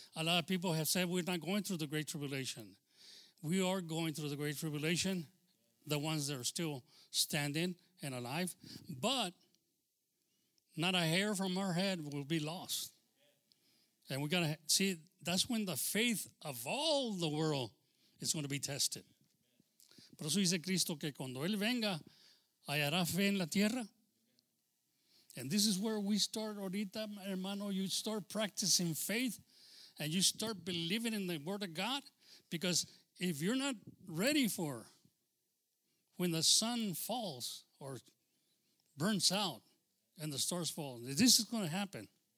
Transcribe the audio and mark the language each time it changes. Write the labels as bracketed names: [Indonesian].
[English] A lot of people have said we're not going through the great tribulation. We are going through the great tribulation, the ones that are still standing and alive. But not a hair from our head will be lost. And we got to see, that's when the faith of all the world is going to be tested. [Spanish] Por eso dice Cristo que cuando Él venga, hallará fe en la tierra. [English] And this is where we start [Spanish] ahorita, hermano. [English] You start practicing faith and you start believing in the word of God, because if you're not ready for when the sun falls or burns out and the stars fall, this is going to happen.